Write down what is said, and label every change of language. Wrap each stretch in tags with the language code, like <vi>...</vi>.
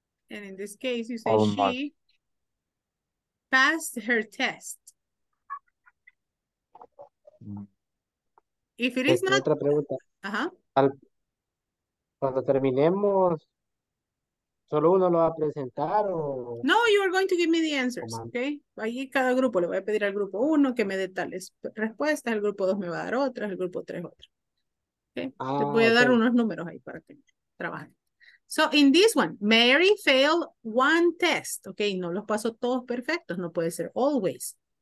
<en>And in this case, you say she passed her test. If it is not.</en> <es>Otra pregunta. Uh-huh. Cuando terminemos. ¿Solo uno lo va a presentar o...?</es> <en>No, you are going to give me the answers, okay?</en> <es>Allí cada grupo, le voy a pedir al grupo 1 que me dé tales respuestas, el grupo 2 me va a dar otras, el grupo 3 otras. Okay? Ah, te voy a dar unos números ahí para que trabajen.</es> <en>So, in this one, Mary failed one test, okay?</en> <es>No los pasó todos perfectos, no puede ser always.</es>